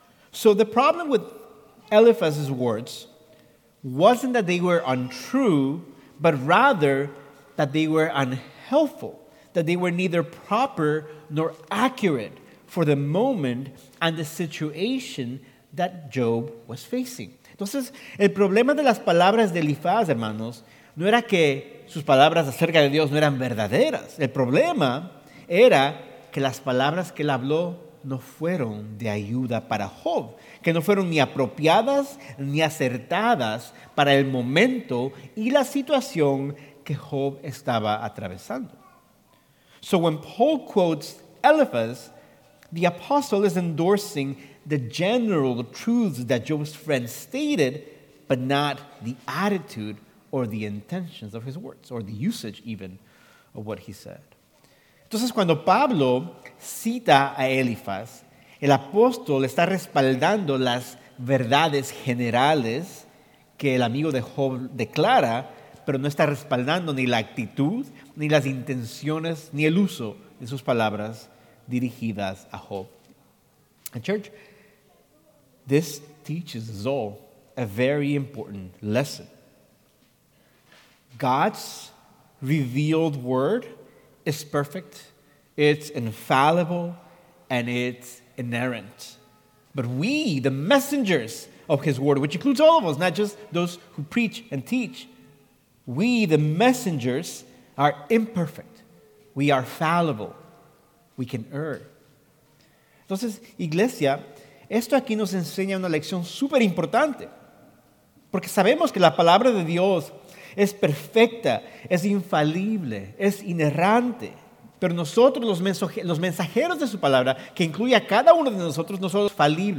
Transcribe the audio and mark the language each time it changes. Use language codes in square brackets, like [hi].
[en] So the problem with Eliphaz's words wasn't that they were untrue, but rather that they were unhelpful, that they were neither proper nor accurate for the moment and the situation that Job was facing. [es] Entonces, el problema de las palabras de Eliphaz, hermanos, no era que sus palabras acerca de Dios no eran verdaderas. El problema era que las palabras que él habló no fueron de ayuda para Job, que no fueron ni apropiadas ni acertadas para el momento y la situación que Job estaba atravesando. [en] So when Paul quotes Eliphaz, the apostle is endorsing the general truths that Job's friend stated, but not the attitude or the intentions of his words, or the usage even of what he said. [es] Entonces, cuando Pablo cita a Eliphaz, el apóstol está respaldando las verdades generales que el amigo de Job declara, pero no está respaldando ni la actitud, ni las intenciones, ni el uso de sus palabras dirigidas a Job. [en] And church, this teaches us all a very important lesson. God's revealed word is perfect, it's infallible, and it's inerrant. But we, the messengers of his word, which includes all of us, not just those who preach and teach, we, the messengers, are imperfect. We are fallible. We can err. [es] Entonces, iglesia, esto aquí nos enseña una lección súper importante. Porque sabemos que la palabra de Dios es perfecta, es infalible, es inerrante. Pero nosotros, los mensajeros de su palabra, que incluye a cada uno de nosotros, no somos falibles.